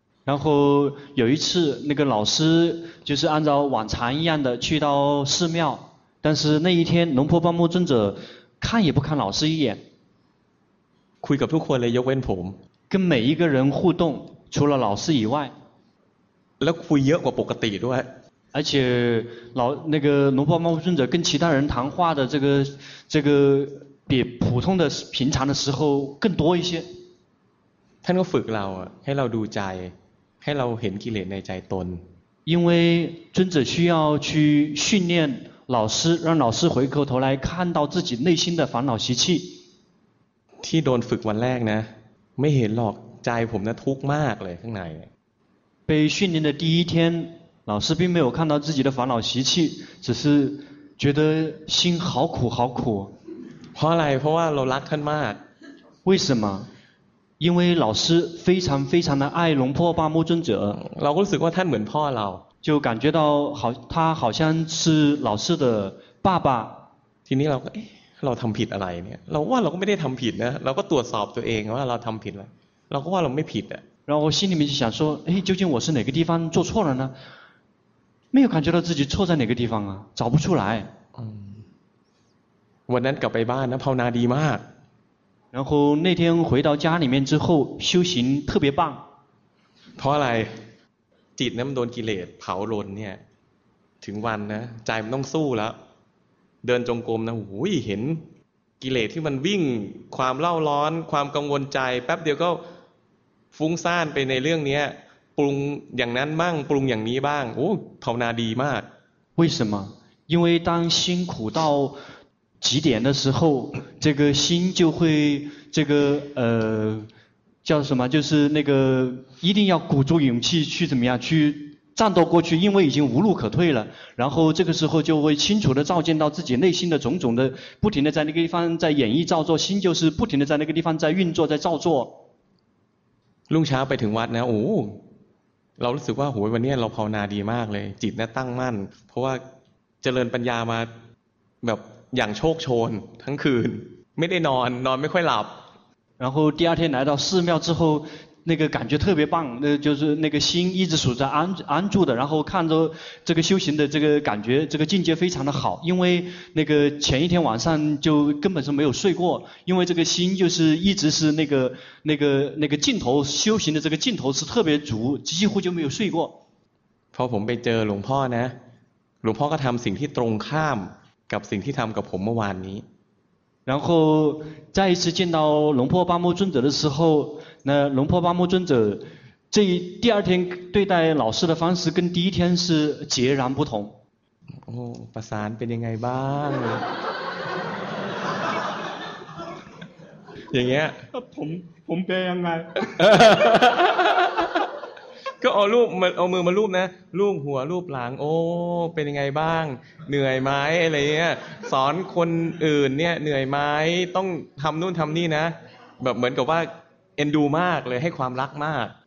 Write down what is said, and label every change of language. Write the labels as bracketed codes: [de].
[zh] 然后有一次那个老师就是按照往常一样的去到寺庙但是那一天龙婆巴木尊者看也不看老师一眼 [th] คุยกับทุกคนเลยยกเว้นผม [zh] 跟每一个人互动除了老师以外 [th] แล้วคุยเยอะกว่าปกติด้วย [zh] 而且老那个龙婆巴木尊者跟其他人谈话的这个比普通的平常的时候更多一些 [th] ท่านก็ฝึกเราให้เราดูใจให้เราเห็นกิเลสในใจตน [zh] 因为尊者需要去训练老师让老师回过头来看到自己内心的烦恼习气 [th] ที่โดนฝึกวันแรกนะไม่เห็นหรอกใจผมนะทุกข์มากเลยข้างใน [zh] 被训练的第一天老师并没有看到自己的烦恼习气只是觉得心好苦好苦 [th] เพราะอะไรเพราะว่าเรารักท่านมาก [zh] 为什么因为老师非常非常的爱龙破巴木尊者 [th] เรารู้สึกว่าท่านเหมือนพ่อเรา [zh] 就感觉到好他好像是老师的爸爸 [th] ทีนี้เราก็เราทำผิดอะไรเนี่ยเราว่าเราก็ไม่ได้ทำผิดนะเราก็ตรวจสอบตัวเองว่าเราทำผิดแล้วเราก็ว่าเราไม่ผิดอะ [zh] 然后心里面就想说哎究竟我是哪个地方做错了呢没有感觉到自己错在哪个地方啊找不出来 [th] วันนั้นกลับไปบ้านนะภาวนาดีมาก [zh] 然后那天回到家里面之后修行特别棒 [th] เพราะอะไรจิตนั้นมันโดนกิเลสเผาลนเนี่ยถึงวันนะใจมันต้องสู้แล้วเดินจงกรมนะหูยเห็นกิเลสที่มันวิ่งความเล่าร้อนความกังวลใจแป๊บเดียวก็ฟุ้งซ่านไปในเรื่องนี้ปรุงอย่างนั้นบ้างปรุงอย่างนี้บ้างโอ้ภาวนาดีมาก [zh] 为什么因为当辛苦到极点的时候这个心就会这个叫什么就是那个一定要鼓足勇气去怎么样去战斗过去因为已经无路可退了然后这个时候就会清楚地照见到自己内心的种种的不停地在那个地方在演绎造作心就是不停地在那个地方在运作在造作 [th] ลุงเช้าไปถึงวัดนะโอ้เรารู้สึกว่าโหวันนี้เราภาวนาดีมากเลยจิตเนี่ยตั้งมั่นเพราะว่าเจริญปัญญามาแบบอย่างโชคโชนทั้งคืนไม่ได้นอนนอนไม่ค่อยหลับ [zh] 然后第二天来到寺庙之后那个感觉特别棒那就是那个心一直处在安住的然后看着这个修行的这个感觉这个境界非常的好因为那个前一天晚上就根本是没有睡过因为这个心就是一直是那个劲头修行的这个劲头是特别足几乎就没有睡过 [th] พอผมไปเจอหลวงพ่อนะหลวงพ่อก็ทำสิ่งที่ตรงข้ามกับสิ่งที่ทำกับผมเมื่อวานนี้ [zh] 然后再一次见到龙破巴木尊者的时候那龙破巴木尊者这第二天对待老师的方式跟第一天是截然不同 [th] 哦巴山เป็นยังไงบ้างอย่างเงี้ย ผมเป็นยังไง ก็เอารูปมาเอามือมารูปนะรูปหัวรูปหลังโอ้เป็นยังไงบ้างเหนื่อยไหมอะไรเงี้ยสอนคนอื่นเนี่ยเหนื่อยไหมต้องทำนู่นทำนี่นะแบบเหมือนกับว่าเอ็นดูมากเลยให้ความรักมาก